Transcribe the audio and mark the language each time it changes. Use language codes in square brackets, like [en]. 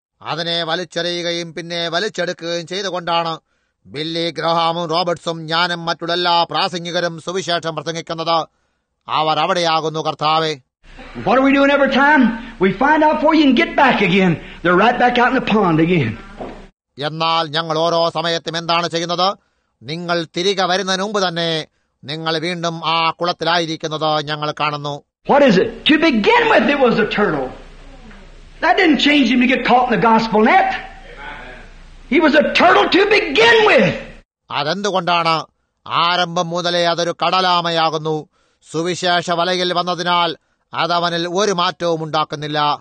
[ml] അതിനെ വലിച്ചെറിയുകയും പിന്നെ വലിച്ചെടുക്കുകയും ചെയ്തുകൊണ്ടാണ് ബില്ലി ഗ്രഹാമും റോബർട്ട്സും ഞാനും മറ്റുള്ള എല്ലാ പ്രാസംഗികരും സുവിശേഷം പ്രസംഗിക്കുന്നത്. അവർ അവിടെയാകുന്നു കർത്താവേ. [en] What are we doing every time? We find out for you and get back again. They're right back out in the pond again. [ml] എന്നാൽ ഞങ്ങൾ ഓരോ സമയത്തും എന്താണ് ചെയ്യുന്നത്? നിങ്ങൾ തിരികെ വരുന്നതിന് മുമ്പ് തന്നെ നിങ്ങൾ വീണ്ടും ആ കുളത്തിലായിരിക്കുന്നത് ഞങ്ങൾ കാണുന്നു. [en] What is it? To begin with, it was a turtle. That didn't change him to get caught in the gospel net. He was a turtle to begin with. [ml] അതെന്തു കൊണ്ടാണ് ആരംഭം മുതലേ അതൊരു കടലാമയാകുന്നു? സുവിശേഷ വലയിൽ വന്നതിനാൽ അത് അവനിൽ ഒരു മാറ്റവും ഉണ്ടാക്കുന്നില്ല.